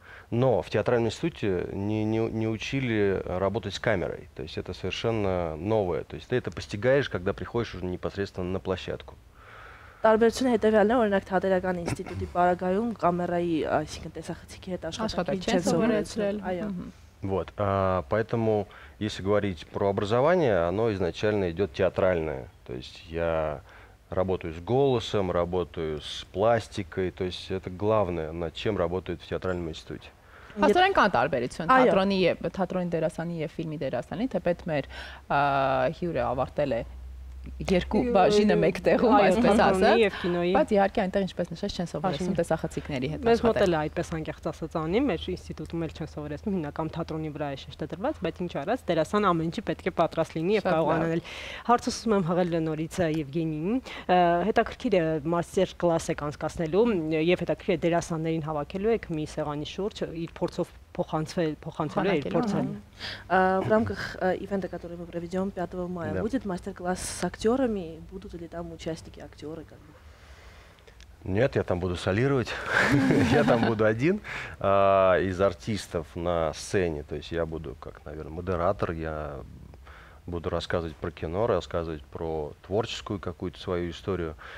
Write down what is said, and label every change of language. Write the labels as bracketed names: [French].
[Russian] Но в театральном институте не учили работать с камерой. То есть это совершенно новое. То есть ты это постигаешь, когда приходишь уже непосредственно на площадку. [Armenian] Տարբերությունը հետևյալն է, օրինակ Թատերական ինստիտուտի պարագայում կամերայի, այսինքն տեսախցիկի հետ աշխատանք չեն զորացրել, այո։ [Russian] Вот, поэтому, если говорить про образование, оно изначально идет театральное. То есть я работаю с голосом, работаю с пластикой, то есть это главное, над чем работают в театральном институте. [Armenian] Հաստատ կան տարբերություն թատրոնի եւ թատրոնի դերասանի եւ ֆիլմի դերասանի, թեպետ մեր հյուրը ավարտել է երկու բաժինը մեկ տեղում, այսպես ասած, բայց իհարկե այնտեղ ինչպես նշած չեն սովորեցնում տեսախցիկների հետ աշխատել։ Մեզ մոտ էլ այդպես անկեղծ ասած անի, մեր ինստիտուտում էլ չեն սովորեցնում, հիմնական թատրոնի վրա է շեշտադրված, բայց ինչ առած դերասան ամեն ինչի պետք է պատրաստ լինի եւ կարողանալ։ Հարցս ուզում եմ հղել նորից Եվգենիին, հետաքրքիր է մաստեր կլաս եք անցկացնելու եւ հետաքրքիր է դերասաններին հավաքելու եք մի սեղանի շուրջ իր փորձով փոխանցելու էր փորձել։ [Russian] В рамках ивента, который мы проведем 5 мая, будет мастер-класс с актерами? Будут ли там участники, актеры? Нет, я там буду солировать. Я там буду один из артистов на сцене. То есть я буду, как, наверное, модератор. Я буду рассказывать про кино, рассказывать про творческую какую-то свою историю.